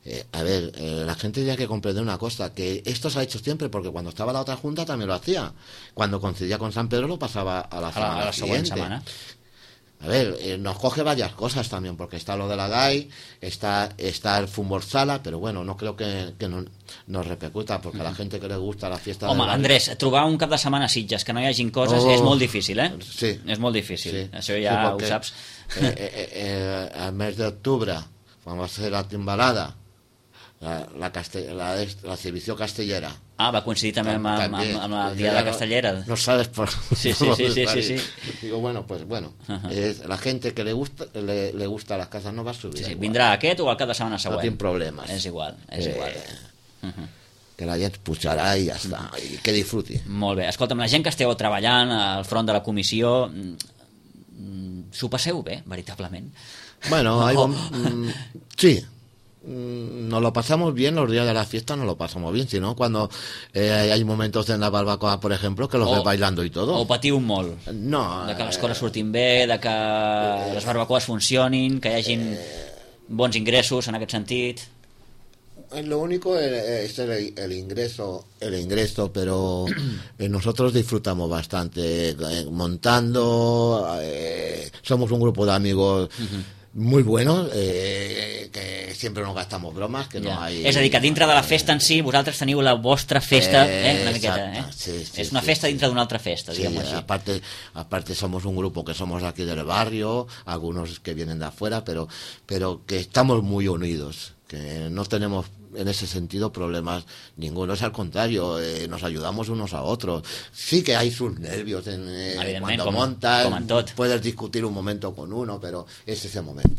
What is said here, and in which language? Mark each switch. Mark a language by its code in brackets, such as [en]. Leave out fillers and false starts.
[es] La gente tiene que comprender una cosa, que esto se ha hecho siempre, porque cuando estaba la otra junta también lo hacía. Cuando coincidía con San Pedro lo pasaba a la siguiente semana. A ver, nos coge varias cosas también, porque está lo de la DAI, está el fútbol sala, pero bueno, no creo que no, nos repercuta, porque a la gente que le gusta la fiesta... [ca] Home, Andrés, trobar un cap de setmana a Sitges que no hi hagin coses és molt difícil, eh? Sí. És molt difícil, sí. Això ja sí, ho saps. El mes d'octubre, quan va ser la timbalada, la exhibició castellera. Ah, va coincidir també amb el dia de la castellera. [es] No sabes por... Sí. Digo, bueno, pues bueno, la gente que le gusta las casas no va a subir. Sí, sí. [ca] Vindrà aquest o el cap de setmana següent. No tinc problemes. És igual. Que la gent pujarà i ja està, i que disfruti. Molt bé. Escolta'm, la gent que esteu treballant al front de la comissió, s'ho passeu bé, veritablement? [es] Bueno, sí. Nos lo pasamos bien los días de la fiesta, nos lo pasamos bien, sino cuando hay momentos en la barbacoa, por ejemplo, que los ve bailando y todo. [ca] O patiu molt. No, de que les coses surtin bé, de que les barbacoas funcionin, que hi hagin bons ingressos en aquest sentit. [es] Lo único es el ingreso, pero nosotros disfrutamos bastante montando, somos un grupo de amigos. Uh-huh. Muy bueno, que siempre nos gastamos bromas, que yeah, no hay... [ca] És a dir, que dintre de la festa en si, vosaltres teniu la vostra festa, una miqueta, Sí, és una festa dintre d'una altra festa, diguem-ho així. [es] Aparte somos un grupo que somos aquí del barrio, algunos que vienen de afuera, pero que estamos muy unidos, que no tenemos en ese sentido problemas ninguno, es al contrario, nos ayudamos unos a otros. Sí que hay sus nervios en, cuando montas, puedes discutir un momento con uno, pero es ese momento.